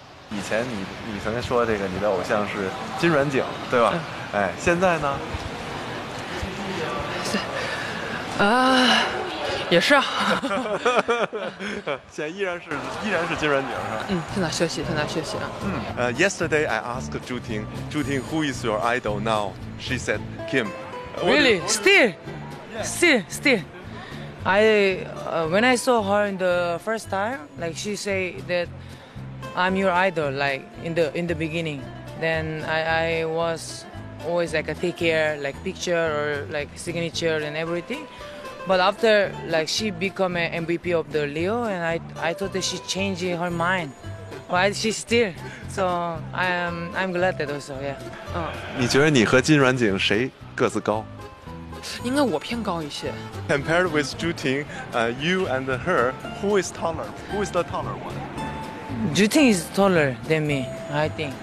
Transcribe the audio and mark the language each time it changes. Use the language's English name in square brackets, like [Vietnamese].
[Chinese] 以前你曾经说这个你的偶像是金软景，对吧？哎，现在呢？也是啊。现在依然是金软景，是吧？嗯，正在学习啊。嗯。 [English] Yesterday I asked 朱婷，朱婷 ，Who is your idol now? She said Kim. Really? Still. When I saw her in the first time, like she say that. I'm your idol, like in the beginning. Then I was always like a take care, like picture or like signature and everything. But after like she become an MVP of the Leo, and I thought that she changed her mind. But she still. So I'm glad that also, yeah. [Chinese] 你觉得你和金软景谁个子高？应该我偏高一些。 [English] Compared with Zhu Ting, you and her, who is taller? Who is the taller one? Zhu Ting is taller than me, I think.